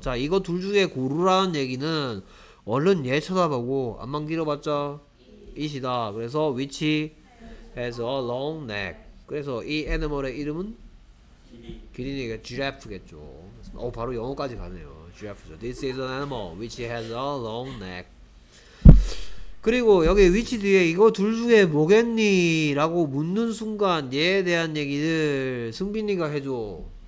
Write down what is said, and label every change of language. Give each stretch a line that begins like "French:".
Korean: 자, 이거 둘 중에 고르라는 얘기는 얼른 얘 쳐다보고 앞만 길어봤자 it이다. 그래서
English: which has a long neck.
Korean: 그래서 이 애니멀의 이름은 기린이가 giraffe겠죠. 오, 바로 영어까지 가네요. giraffe죠.
English: this is an animal which has a long neck.
Korean: 그리고 여기 위치 뒤에 이거 둘 중에 뭐겠니? 라고 묻는 순간 얘에 대한 얘기를 승빈이가 해줘.